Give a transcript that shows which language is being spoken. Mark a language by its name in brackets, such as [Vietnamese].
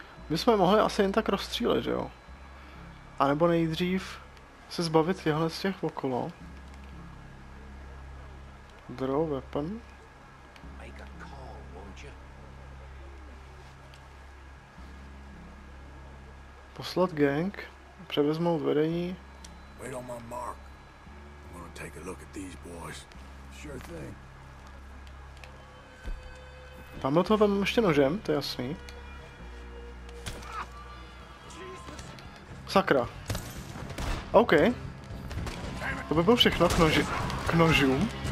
[Czech] My jsme mohli asi jen tak rozstřílet, že jo? A nebo nejdřív se zbavit těhle z těch okolo. [English] Draw weapon. [Czech] Poslat gang, převezmout vedení. [English] Wait on my mark. I'm gonna take a look at these boys. Sure thing. [Czech] Tamhle toho vem ještě nožem, to je jasný. Sakra. OK. To by bylo všechno k nožům.